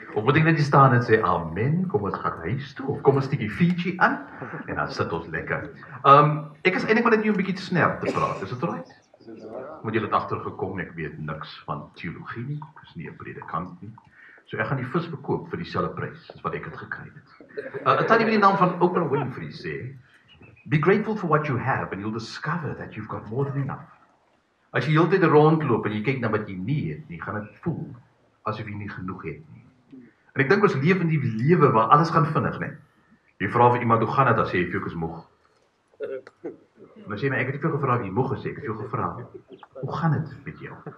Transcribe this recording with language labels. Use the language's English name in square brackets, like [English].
[Afrikaans] Of moet ek net staan en sê amen, kom ons gaan huis toe, of kom ons steek die Fiji aan en dan sit ons lekker. Ek is eintlik net 'n bietjie te snel te praat. Is dit reg? Moet julle agter gekom, ek weet niks van teologie nie. Ek is nie 'n predikant nie. So ek gaan die vis verkoop vir dieselfde prys as wat ek dit gekry het. Tannie met die naam van Oprah Winfrey sê: [English] be grateful for what you have and you'll discover that you've got more than enough. [Afrikaans] As jy heeltyd rondloop en jy kyk na wat jy nie het nie, gaan dit voel asof jy nie genoeg het nie. En ek dink ons leef in die lewe waar alles gaan vinnig, né? Jy vra vir iemand hoe gaan dit, as jy vir jou is moeg. Maar sê my, ek het jou gevra of jy moeg is, ek het jou gevra hoe gaan dit met jou?